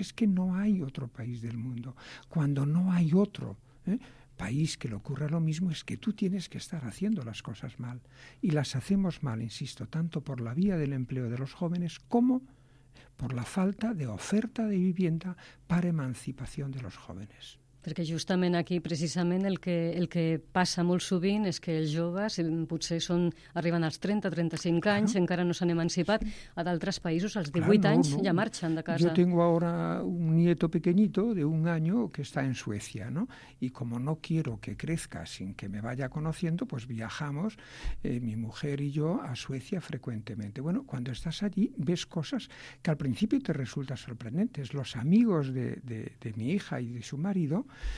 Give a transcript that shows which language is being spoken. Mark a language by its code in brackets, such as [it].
[es] Es que no hay otro país del mundo. Cuando no hay otro país que le ocurra lo mismo, es que tú tienes que estar haciendo las cosas mal. Y las hacemos mal, insisto, tanto por la vía del empleo de los jóvenes como por la falta de oferta de vivienda para emancipación de los jóvenes. [ca] Perquè justament aquí, precisament, el que passa molt sovint és que els joves potser arriben als 30, 35 anys, claro. Encara no s'han emancipat. Sí. A d'altres països, als 18 [es] claro, [ca] anys, no. Ja marxen de casa. [es] Yo tengo ahora un nieto pequeñito de un año que está en Suecia, ¿no? Y como no quiero que crezca sin que me vaya conociendo, pues viajamos, mi mujer y yo, a Suecia frecuentemente. Bueno, cuando estás allí, ves cosas que al principio te resultan sorprendentes. Los amigos de mi hija y de su marido, ¿no?